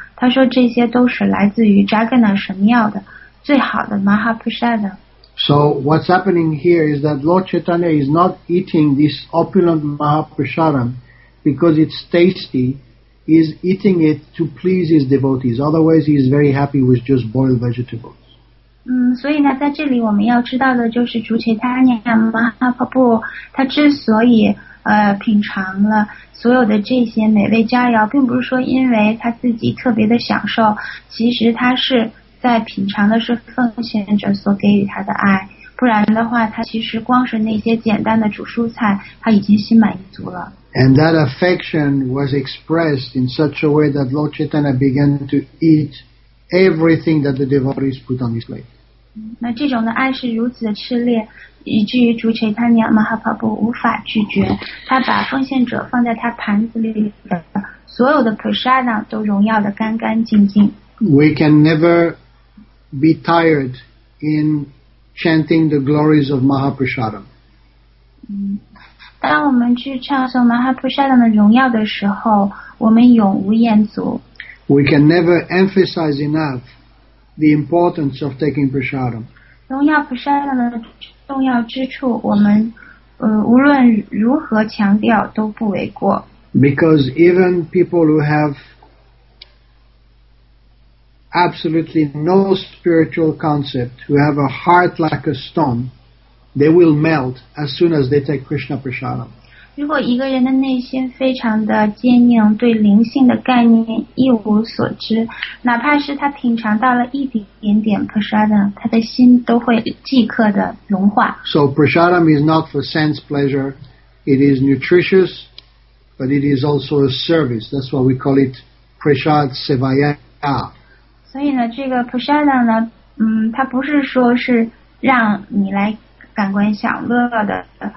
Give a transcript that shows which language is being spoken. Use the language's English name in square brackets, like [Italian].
[Chinese] 他说这些都是来自于 Jagannath 神庙的最好的 Mahaprasad。 [English] So what's happening here is that Lord Chaitanya is not eating this opulent Mahaprasadam because it's tasty. He's eating it to please his devotees. Otherwise, he's very happy with just boiled vegetables. [Chinese] 所以呢，在这里我们要知道的就是主 Chaitanya Mahaprabhu 他之所以品尝了所有的这些美味佳肴，并不是说因为他自己特别的享受，其实他是在品尝的是奉献者所给予他的爱，不然的话他其实光是那些简单的煮蔬菜他已经心满意足了。 [English] And that affection was expressed in such a way that Lord Chaitanya began to eat everything that the devotees put on his plate. [Chinese] 那这种的爱是如此的炽烈，以至于主 Chaitanya Mahaprabhu 无法拒绝，他把奉献者放在他盘子里的所有的 prasadam 都荣耀得干干净净。 [English] We can neverbe tired in chanting the glories of Mahaprasadam. [Chinese] 当我们去唱诵 Mahaprasadam 的荣耀的时候，我们永无厌足。 [English] We can never emphasize enough the importance of taking prasadam. [Chinese] 荣耀 prasadam 的重要之处，我们无论如何强调都不为过。 [English] Because even people who have absolutely no spiritual concept, who have a heart like a stone, they will melt as soon as they take Krishna prasadam. [Chinese] 如果一个人的内心非常的坚硬，对灵性的概念一无所知，哪怕是他品尝到了一点点 prasadam, 他的心都会即刻的融化。 [English] So prasadam is not for sense pleasure, it is nutritious, but it is also a service. That's why we call it prasad sevaya. [Chinese] 所以呢，这个 prasadam 呢，它不是说是让你来感官享乐的。